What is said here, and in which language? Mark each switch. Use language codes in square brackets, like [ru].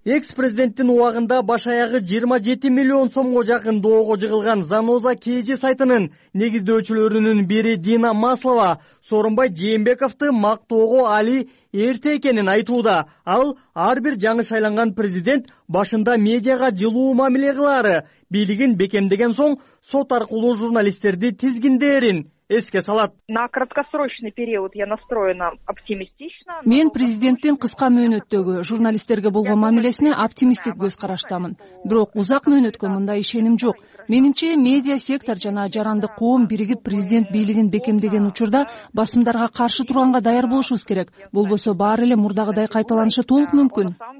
[ky] Экс президенттин убагында баш аягы 27 миллион сомго жакын доого жыгылган Заноза KG сайтынын негиздөөчүлөрүнүн бири Дина Маслова Сооронбай Жээнбековду мактоого али эрте экенин айтууда. Ал ар бир жаңы шайланган президент башында медиага жылуу мамиле кылары, бийлигин бекемдеген соң сот аркылуу журналисттерди тизгиндээрин эске салат. [ru] На краткосрочный период я настроена оптимистично. [ky] Мен президенттин кыска мөөнөттөгү журналисттерге болгон мамилесине оптимисттик көз караштамын. Бирок узак мөөнөткө мындай ишеним жок. Менимче, медиа сектор жана жарандык коом биригип президент бийлигин бекемдеген учурда басымдарга каршы турганга даяр болушубуз керек. Болбосо баары эле мурдагыдай кайталанышы толук мүмкүн.